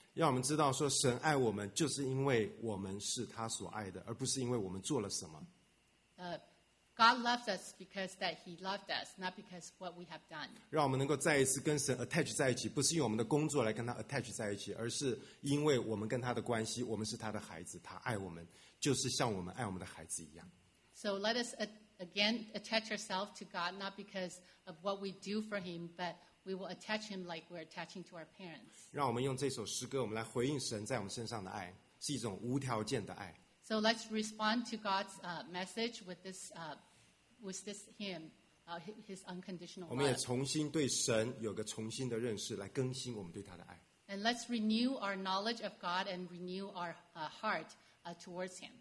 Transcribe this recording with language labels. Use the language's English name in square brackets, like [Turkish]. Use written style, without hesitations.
[Chinese] 让我们知道说神爱我们就是因为我们是他所爱的，而不是因为我们做了什么。 [English] God loves us because that He loved us, not because what we have done. [Chinese] 让我们能够再一次跟神 attach 在一起，不是用我们的工作来跟他 attach 在一起，而是因为我们跟他的关系，我们是他的孩子，他爱我们，就是像我们爱我们的孩子一样。 [English] So let us again attach ourselves to God, not because of what we do for Him, but we will attach Him like we're attaching to our parents. [Chinese] 让我们用这首诗歌，我们来回应神在我们身上的爱，是一种无条件的爱。 [English] So let's respond to God's message with this hymn, His unconditional love. [Chinese] 我们也重新对神有个重新的认识，来更新我们对他的爱。 [English] And let's renew our knowledge of God and renew our heart towards Him.